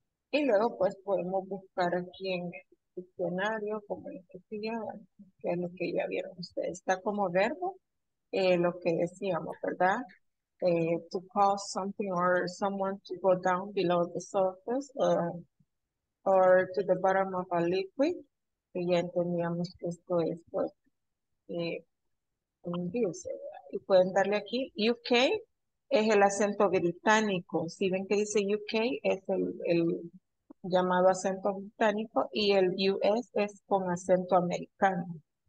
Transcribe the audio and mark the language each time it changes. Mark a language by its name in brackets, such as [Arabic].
[Spanish] Y luego pues podemos buscar aquí en el diccionario, como lo que se llama, que es lo que ya vieron ustedes. Está como verbo. Lo que decíamos, ¿verdad? [English] To cause something or someone to go down below the surface or to the bottom of a liquid. [Spanish] Y ya entendíamos que esto es, pues, hundirse. Y pueden darle aquí, UK es el acento británico. Si ven que dice UK, es el llamado acento británico y el US es con acento americano.